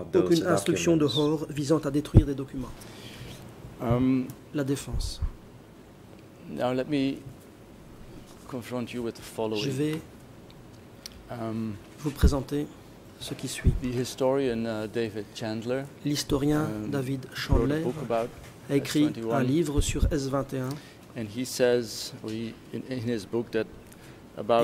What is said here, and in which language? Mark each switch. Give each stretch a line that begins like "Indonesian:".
French: Je n'ai reçu aucune instruction de Hor visant à détruire des documents. La défense.
English: Now let me confront you with the following.
French: Je vais vous présenter ce qui suit.
English: The historian, David Chandler,
French: l'historien David Chandler a écrit un livre sur S21.
English: And he says, in his book that about